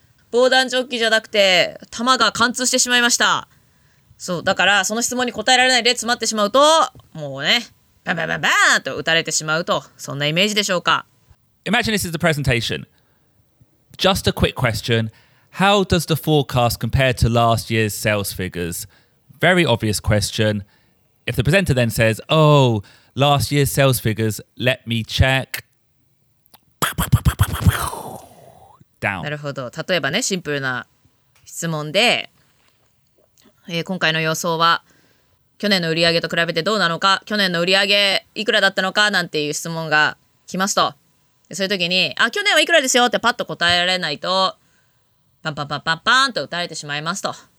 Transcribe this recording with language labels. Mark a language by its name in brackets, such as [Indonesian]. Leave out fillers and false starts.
[Japanese] 防弾チョッキじゃなくて、弾が貫通してしまいました。そう、だからその質問に答えられないで詰まってしまうと、もうね、バンバンバンバンと打たれてしまうと、そんなイメージでしょうか。 [English] Imagine this is the presentation. Just a quick question. How does the forecast compare to last year's sales figures? Very obvious question. If the presenter then says, oh, last year's sales figures, let me check. Down. [Japanese] なるほど。例えばね、シンプルな質問で、今回の予想は去年の売上と比べてどうなのか、去年の売上いくらだったのかなんていう質問が来ますと。そういう時に、あ、去年はいくらですよってパッと答えられないと、パンパンパンパンパンと打たれてしまいますと。